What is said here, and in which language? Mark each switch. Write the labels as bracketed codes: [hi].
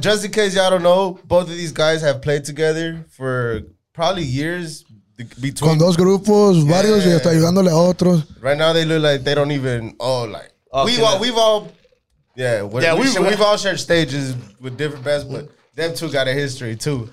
[en] Just in case y'all don't know, both of these guys have played together for probably years. Between [es] con dos grupos, varios, y está ayudándole a otros. [en] Right now they look like they don't even. Oh, like okay. we've all. Yeah, we've all shared stages with different bands, but them two got a history too.